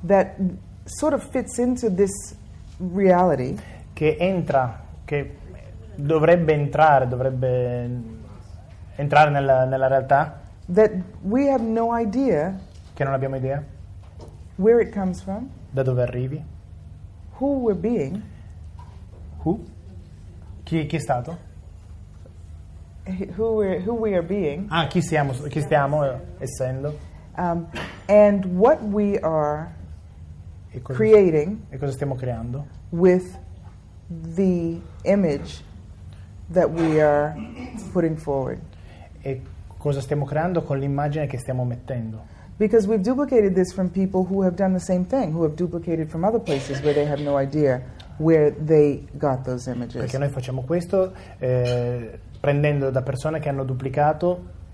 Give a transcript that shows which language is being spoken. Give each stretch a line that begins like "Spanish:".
English: That sort of fits into this reality.
Italian: Che entra, che dovrebbe entrare, dovrebbe entrare nella realtà,
English: that we have no idea,
Italian: che non abbiamo idea
English: where it comes from,
Italian: da dove arrivi,
English: who we're being, who,
Italian: chi è stato,
English: who we are being,
Italian: ah, chi stiamo essendo,
English: and what we are creating,
Italian: e cosa stiamo creando
English: with the image that we are putting forward.
Italian: E cosa stiamo creando con l'immagine che stiamo mettendo?
English: Because we've duplicated this from people who have done the same thing, who have duplicated from other places where they have no idea where they got those images.
Italian: Perché noi facciamo questo prendendo da persone che hanno duplicato